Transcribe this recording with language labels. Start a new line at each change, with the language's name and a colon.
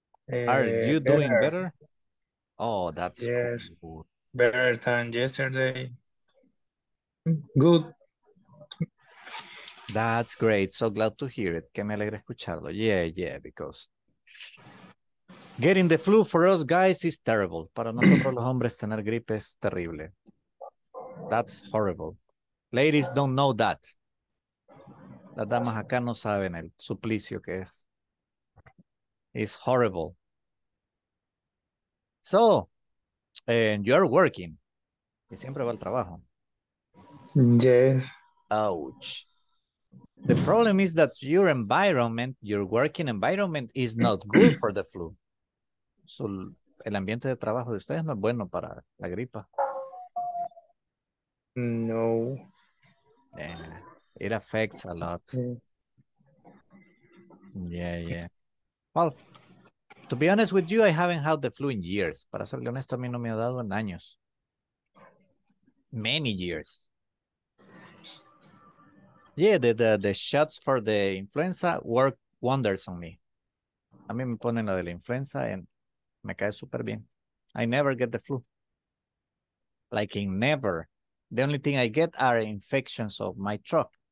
English: Are you better. Doing better? Oh, that's yes, cool. Better than yesterday. Good. That's great. So glad to hear it.
Spanish: Que me alegra escucharlo.
English: Yeah, yeah, because... Getting the flu for us guys is terrible.
Spanish: Para nosotros los hombres tener gripe es terrible.
English: That's horrible. Ladies don't know that.
Spanish: Las damas acá no saben el suplicio que es.
English: It's horrible. So, and you're working.
Spanish: Y siempre va al trabajo.
English: Yes. Ouch. The problem is that your environment, your working environment is not good for the flu.
Spanish: So, el ambiente de trabajo de ustedes no es bueno para la gripa.
English: No. Yeah, it affects a lot. Yeah, yeah. Well, to be honest with you, I haven't had the flu in years.
Spanish: Para serle honesto, a mí no me ha dado en años.
English: Many years. Yeah, the shots for the influenza work wonders on me.
Spanish: A mí me ponen la de la influenza
English: and
Spanish: me cae super bien.
English: I never get the flu. Like in never. The only thing I get are infections of my throat.